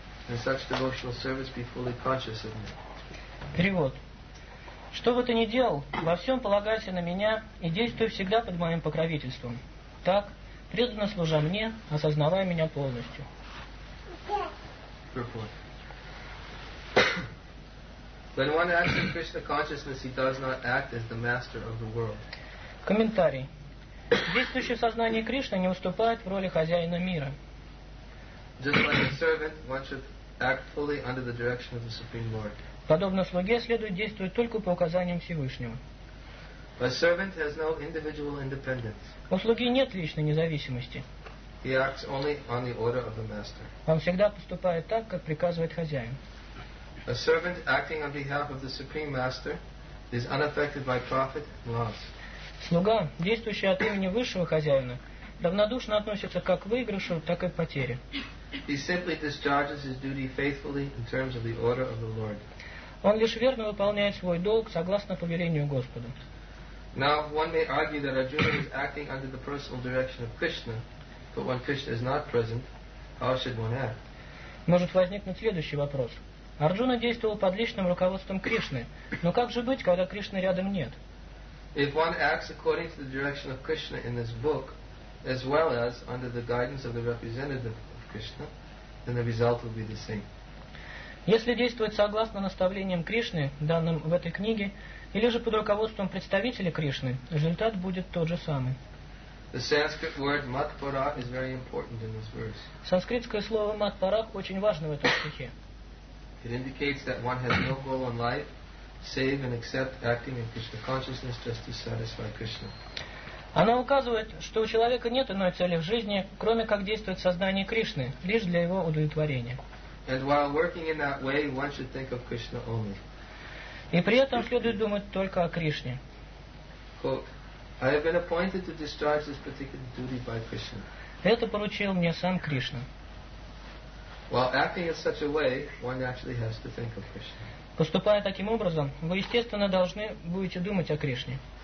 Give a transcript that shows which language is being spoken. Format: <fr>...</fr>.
<en>In such devotional service be fully conscious of me.</en> <ru>Перевод. Что бы ты ни делал, во всем полагайся на меня и действуй всегда под моим покровительством. Так, преданно служа мне, осознавая меня полностью.</ru> <en>When one acts in Krishna consciousness, he does not act as the master of the world.</en> <ru>Комментарий. Действующее сознание Кришны не уступает в роли хозяина мира.</ru> <en>Just like a servant, one should act fully under the direction of the Supreme Lord.</en> <ru>Подобно слуге следует действовать только по указаниям Всевышнего.</ru> <en>A servant has no individual independence.</en> <ru>У слуги нет личной независимости.</ru> <en>He acts only on the order of the master.</en> <ru>Он всегда поступает так, как приказывает хозяин.</ru> <en>A servant acting on behalf of the supreme master is unaffected by profit and loss.</en> <ru>Слуга, действующий от имени высшего хозяина, равнодушно относится как к выигрышу, так и к потере.</ru> <en>He simply discharges his duty faithfully in terms of the order of the Lord.</en> <ru>Он лишь верно выполняет свой долг согласно повелению Господа.</ru> <en>Now one may argue that Arjuna is acting under the personal direction of Krishna, but when Krishna is not present, how should one act?</en> <ru>Может возникнуть следующий вопрос. Арджуна действовал под личным руководством Кришны, но как же быть, когда Кришны рядом нет?</ru> <en>If one acts according to the direction of Krishna in this book, as well as under the guidance of the representative of Krishna, then the result will be the same.</en> <ru>Если действовать согласно наставлениям Кришны, данным в этой книге, или же под руководством представителя Кришны, результат будет тот же самый.</ru> <en>The Sanskrit word matpara is very important in this verse.</en> <ru>Санскритское слово матпарах очень важно в этом стихе.</ru> <en>It indicates that one has no goal in life, save and except acting in Krishna consciousness just to satisfy Krishna.</en> <ru>Она указывает, что у человека нет иной цели в жизни, кроме как действовать в сознании Кришны, лишь для его удовлетворения.</ru> <en>And while working in that way, one should think of Krishna only.</en> <ru>И при этом следует думать только о Кришне.</ru> <en>Quote, I have been appointed to discharge this particular duty by Krishna.</en> <ru>Это поручил мне сам Кришна.</ru> <en>While acting in such a way, one actually has to think of Krishna.</en> <ru>Поступая таким образом, вы естественно должны будете думать о Кришне.</ru>